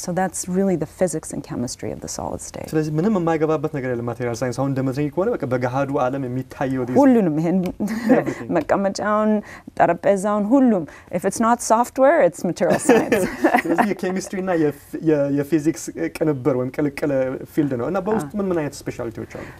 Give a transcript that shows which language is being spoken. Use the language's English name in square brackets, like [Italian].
[English] So that's really the physics and chemistry of the solid state. [Amharic] ስለዚህ ምንም የማይገባበት ነገር የለም ማቴሪያል ሳይንስ አሁን እንደምትነግሪኝ ከሆነ በቃ በገሃዱ ዓለም የሚታየው ዲስ ሁሉንም ይሄን መቀመጫውን ጠረጴዛውን ሁሉም [English] if it's not software it's material science. [Amharic] ስለዚህ የኬሚስትሪ እና የፊዚክስ ቅንብር ወይም ቅልቅል ፊልድ ነው እና በውስጥ ምን አይነት ስፔሻሊቲዎች አሉ?